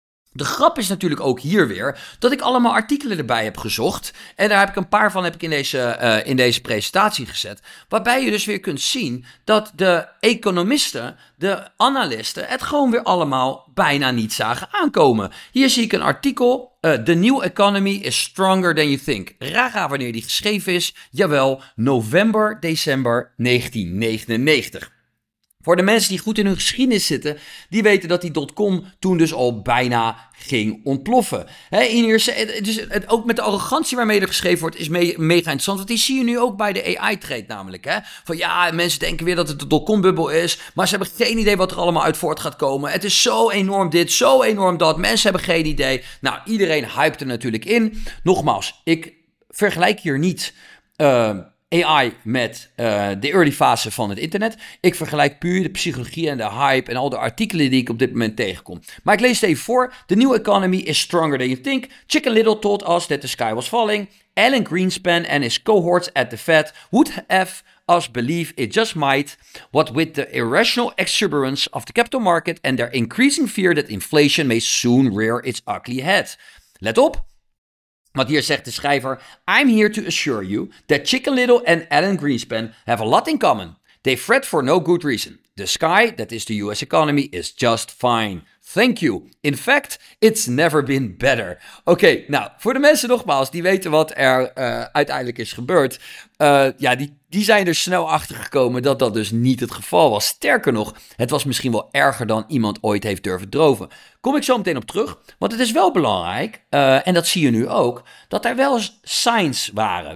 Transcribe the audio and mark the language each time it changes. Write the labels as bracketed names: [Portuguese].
[Dutch] De grap is natuurlijk ook hier weer dat ik allemaal artikelen erbij heb gezocht. En daar heb ik een paar van in deze presentatie gezet. Waarbij je dus weer kunt zien dat de economisten, de analisten, het gewoon weer allemaal bijna niet zagen aankomen. Hier zie ik een artikel. [English] The new economy is stronger than you think. [Dutch] Raag aan wanneer die geschreven is. Jawel, november, december 1999. Voor de mensen die goed in hun geschiedenis zitten, die weten dat die dotcom toen dus al bijna ging ontploffen. He, in eerste, dus het, ook met de arrogantie waarmee er geschreven wordt, is mega interessant. Want die zie je nu ook bij de AI-trade namelijk. He. Van ja, mensen denken weer dat het de dotcom-bubbel is, maar ze hebben geen idee wat er allemaal uit voort gaat komen. Het is zo enorm dit, zo enorm dat. Mensen hebben geen idee. Nou, iedereen hypte natuurlijk in. Nogmaals, ik vergelijk hier niet AI met de early fase van het internet. Ik vergelijk puur de psychologie en de hype en al de artikelen die ik op dit moment tegenkom. Maar ik lees het even voor. [English] The new economy is stronger than you think. Chicken Little told us that the sky was falling. Alan Greenspan and his cohorts at the Fed would have us believe it just might. What with the irrational exuberance of the capital market and their increasing fear that inflation may soon rear its ugly head. [Dutch] Let op. Want hier zegt de schrijver, [English] I'm here to assure you that Chicken Little and Alan Greenspan have a lot in common. They fret for no good reason. The sky, that is the US economy, is just fine. Thank you. In fact, it's never been better. [Dutch] Oké, nou, voor de mensen nogmaals, die weten wat er uiteindelijk is gebeurd. Die zijn er snel achter gekomen dat dat dus niet het geval was. Sterker nog, het was misschien wel erger dan iemand ooit heeft durven dromen. Kom ik zo meteen op terug, want het is wel belangrijk, en dat zie je nu ook, dat er wel signs waren.